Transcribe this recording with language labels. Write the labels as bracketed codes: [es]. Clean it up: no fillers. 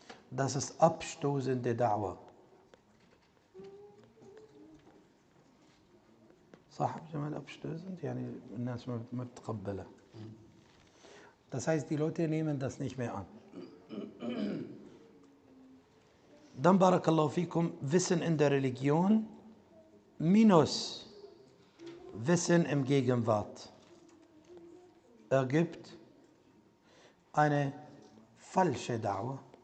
[de] Das ist abstoßende Dauer. [ar] صاحب جمال [de] abstoßend, [ar] يعني الناس ما بتقبله. [de] Das heißt, die Leute nehmen das nicht mehr an. Dann [ar] barakallahu fikum, [de] Wissen in der Religion minus Wissen im Gegenwart ergibt eine falsche Dawa.